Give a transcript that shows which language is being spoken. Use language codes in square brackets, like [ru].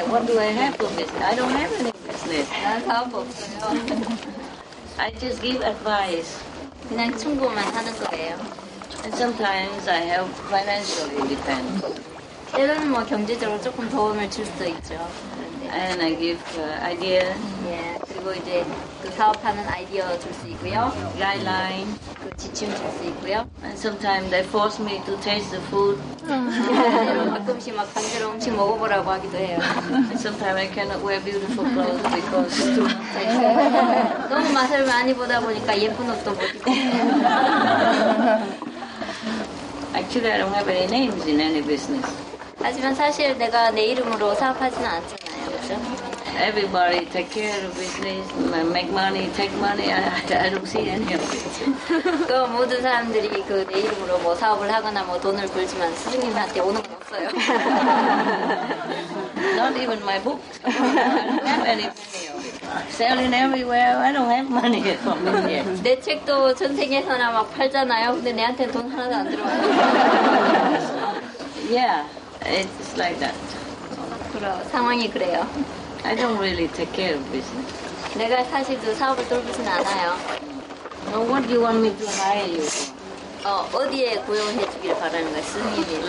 [en] What do I have for business? I don't have any business. [ko] 난 사업 없어요. [en] I just give advice. [ko] 그냥 충고만 하는 거예요. [en] And sometimes I help financially depend. [ko] 때로는 뭐 경제적으로 조금 도움을 줄 수도 있죠. [en] And I give idea. Yeah. [ko] 그리고 이제 그 사업하는 아이디어 줄 수 있고요. [en] Guideline. [ko] 그 지침 줄 수 있고요. [en] And sometimes they force me to taste the food. [ko] 가끔씩 막 강제로 음식 먹어보라고 하기도 해요. [en] Sometimes I cannot wear beautiful clothes because too much. [ko] 너무 맛을 많이 보다 보니까 예쁜 옷도 못 입고. [en] Actually, I don't have any names in any business. [ko] 하지만 사실 내가 내 이름으로 사업하지는 않잖아요, 그죠? [en] Everybody take care of business, make money, take money. I don't see any of it. [ko] 또 모든 사람들이 그 내 이름으로 뭐 사업을 하거나 뭐 돈을 벌지만 스승님한테 오는 건 없어요. [en] Not even my book. I don't have any money. Selling everywhere. I don't have money for me yet. [ko] 내 책도 전 세계에서나 막 팔잖아요. 근데 내한테 돈 하나도 안 들어와요. [en] Yeah, it's like that. [ko] 그래, 상황이 그래요. [en] I don't really take care of business. [ko] 내가 사실 그 사업을 돌보진 않아요. [en] Well, what do you want me to hire you? [ko] 어디에 고용해 주길 바라는 거야, 스승님이?